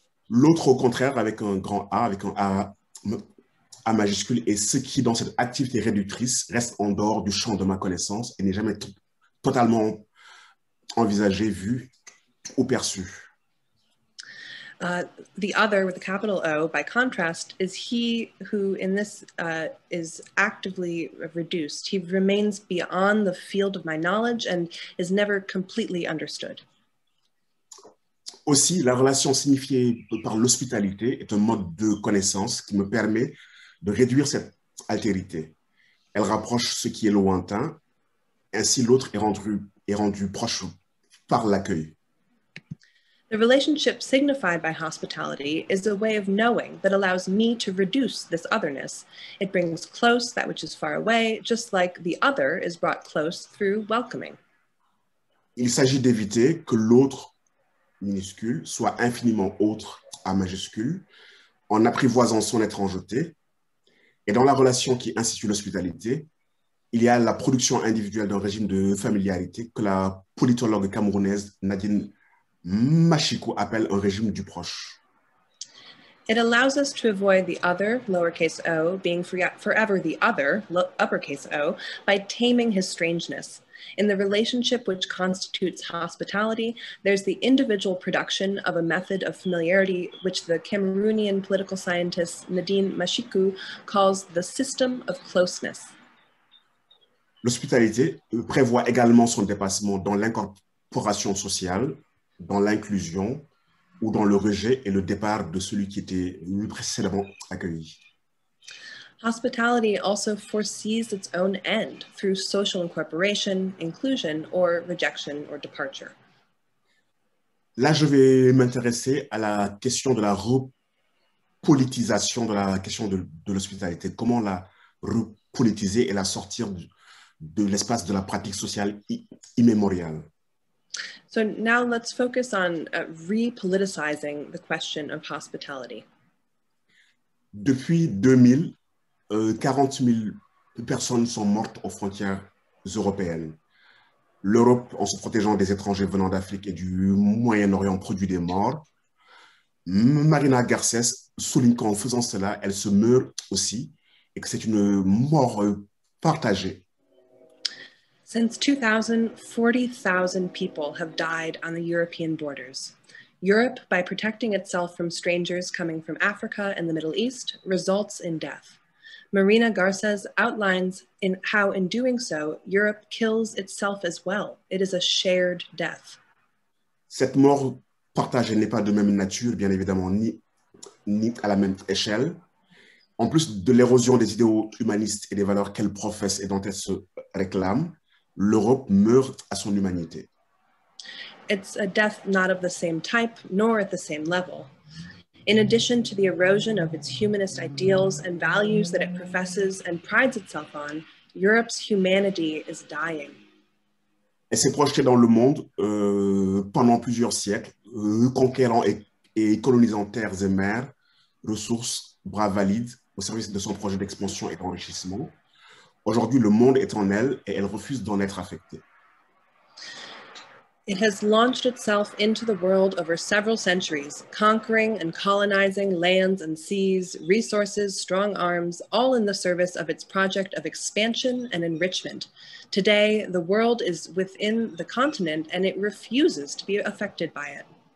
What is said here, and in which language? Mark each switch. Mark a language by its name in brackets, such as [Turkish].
[French] L'autre, au contraire, avec un grand A, avec un A majuscule, est ce qui, dans cette activité réductrice, reste en dehors du champ de ma connaissance et n'est jamais totalement envisagé, vu ou perçu. [English] The other with a capital O, by contrast, is he who in this is actively reduced. He remains beyond the field of my knowledge and is never completely understood. [French] Aussi, la relation signifiée par l'hospitalité est un mode de connaissance qui me permet de réduire cette altérité. Elle rapproche ce qui est lointain, ainsi l'autre est rendu proche par l'accueil. [English] The relationship signified by hospitality is a way of knowing that allows me to reduce this otherness. It brings close that which is far away, just like the other is brought close through welcoming. [French] Il s'agit d'éviter que l'autre minuscule soit infiniment autre à majuscule en apprivoisant son étrangeté. Et dans la relation qui institue l'hospitalité, il y a la production individuelle d'un régime de familiarité que la politologue camerounaise Nadine Machiku appelle un régime du proche. [English] It allows us to avoid the other, lowercase o, being forever the other, uppercase o, by taming his strangeness. In the relationship which constitutes hospitality, there's the individual production of a method of familiarity which the Cameroonian political scientist Nadine Machiku calls the system of closeness. [French] L'hospitalité prévoit également son dépassement dans l'incorporation sociale, dans l'inclusion, ou dans le rejet et le départ de celui qui était précédemment accueilli. [English] Hospitality also foresees its own end through social incorporation, inclusion, or rejection or departure. [French] Là, je vais m'intéresser à la question de la repolitisation de la question de l'hospitalité. Comment la repolitiser et la sortir de l'espace de la pratique sociale immémoriale? [English] So now let's focus on repoliticizing the question of hospitality. [French] Depuis 2000, 40 000 personnes sont mortes aux frontières européennes. L'Europe, en se protégeant des étrangers venant d'Afrique et du Moyen-Orient, produit des morts. Marina Garcés souligne qu'en faisant cela, elle se meurt aussi et que c'est une mort partagée. [English] Since 2000, 40,000 people have died on the European borders. Europe, by protecting itself from strangers coming from Africa and the Middle East, results in death. Marina Garces outlines in how, in doing so, Europe kills itself as well. It is a shared death. [French] Cette mort partagée n'est pas de même nature, bien évidemment, ni à la même échelle. En plus de l'érosion des idéaux humanistes et des valeurs qu'elle professe et dont elle se réclame, l'Europe meurt à son humanité. [English] It's a death not of the same type, nor at the same level. In addition to the erosion of its humanist ideals and values that it professes and prides itself on, Europe's humanity is dying. [French] Elle s'est projetée dans le monde pendant plusieurs siècles, conquérant et colonisant terres et mers, ressources, bras valides, au service de son projet d'expansion et d'enrichissement. Aujourd'hui, le monde est en elle et elle refuse d'en être affectée. [English] It has launched itself into the world over several centuries, conquering and colonizing lands and seas, resources, strong arms, all in the service of its project of expansion and enrichment. Today, the world is within the continent and it refuses to be affected by it.